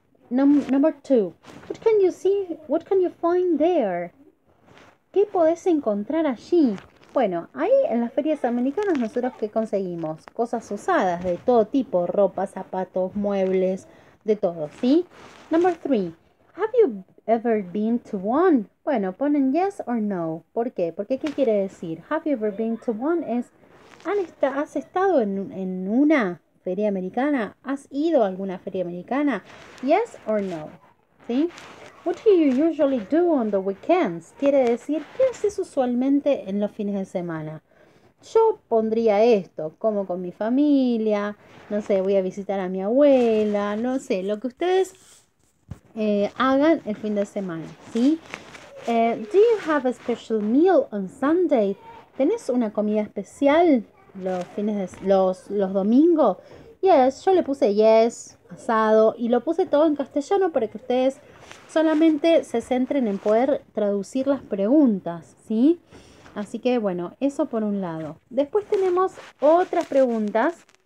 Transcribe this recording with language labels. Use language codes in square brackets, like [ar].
[en] Number 2. What can you find there? [es] ¿Qué podés encontrar allí? Bueno, ahí en las ferias americanas nosotros qué conseguimos? Cosas usadas de todo tipo, ropa, zapatos, muebles, de todo, ¿sí? [en] Number 3. Have you ever been to one? [es] Bueno, ponen [en] yes or no. [es] ¿Por qué? Porque ¿qué quiere decir? [en] Have you ever been to one? [es] Es, ¿has estado en una feria americana? ¿Has ido a alguna feria americana? [en] Yes or no. ¿Sí? What do you usually do on the weekends? [es] Quiere decir, ¿qué haces usualmente en los fines de semana? Yo pondría esto, como con mi familia, no sé, voy a visitar a mi abuela, no sé, lo que ustedes hagan el fin de semana, ¿sí? [en] Do you have a special meal on Sunday? [es] ¿Tenés una comida especial los fines de los domingos? Yes, yo le puse yes, asado, y lo puse todo en castellano para que ustedes solamente se centren en poder traducir las preguntas, ¿sí? Así que bueno, eso por un lado. Después tenemos otras preguntas.